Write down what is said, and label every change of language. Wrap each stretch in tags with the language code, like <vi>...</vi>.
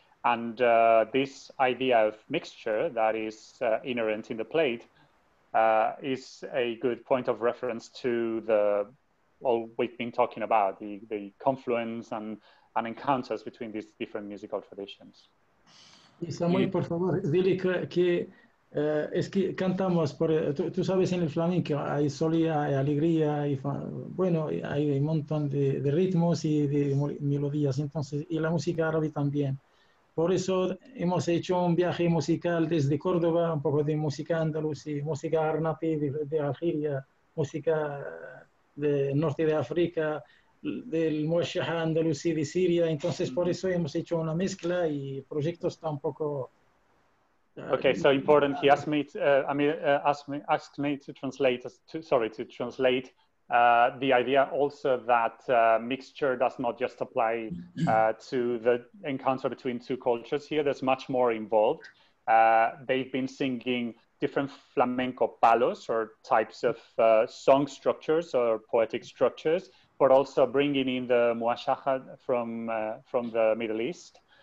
<en>And this idea of mixture that is inherent in the plate is a good point of reference to the all we've been talking about, the confluence and encounters between these different musical traditions.</en> <es>Y Samuel, por favor, dile que es que cantamos, tú sabes, en el flamenco hay solía, hay alegría, y bueno, hay un montón de ritmos y de melodías, entonces, y la música árabe también. Por eso hemos hecho un viaje musical desde Córdoba, un poco de música andalusí, música arnafi de Argelia, música del norte de África, del Mushaha andalusí de Siria. Entonces, por eso hemos hecho una mezcla y el proyecto está un poco...</es> <en>Okay, so important. He asked me, to translate the idea also that mixture does not just apply to the encounter between two cultures here. There's much more involved. They've been singing different flamenco palos or types of song structures or poetic structures, but also bringing in the Mushaha from the Middle East.</en>